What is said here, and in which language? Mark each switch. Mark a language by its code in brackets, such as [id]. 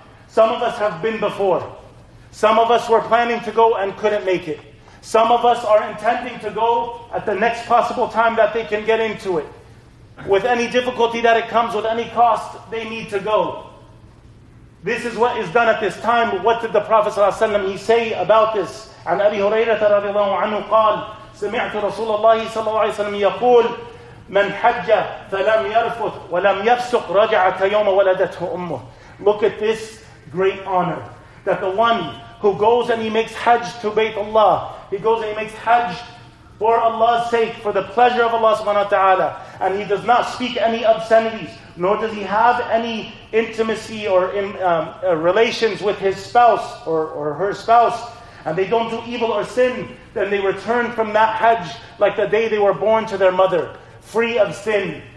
[en] Some of us have been before. Some of us were planning to go and couldn't make it. Some of us are intending to go at the next possible time that they can get into it. With any difficulty that it comes, with any cost, they need to go. This is what is done at this time. What did the Prophet ﷺ, he say about this? [ar] عن أبي هريرة رضي الله عنه قال سمعت رسول الله صلى الله عليه وسلم يقول من حج فلم يرفث ولم يفسق رجع كيوم ولدته أمه. [en] Look at this great honor. That the one who goes and he makes hajj to Bayt Allah, he goes and he makes hajj for Allah's sake, for the pleasure of Allah subhanahu wa ta'ala, and he does not speak any obscenities, nor does he have any intimacy or relations with his spouse or her spouse, and they don't do evil or sin, then they return from that hajj like the day they were born to their mother, free of sin.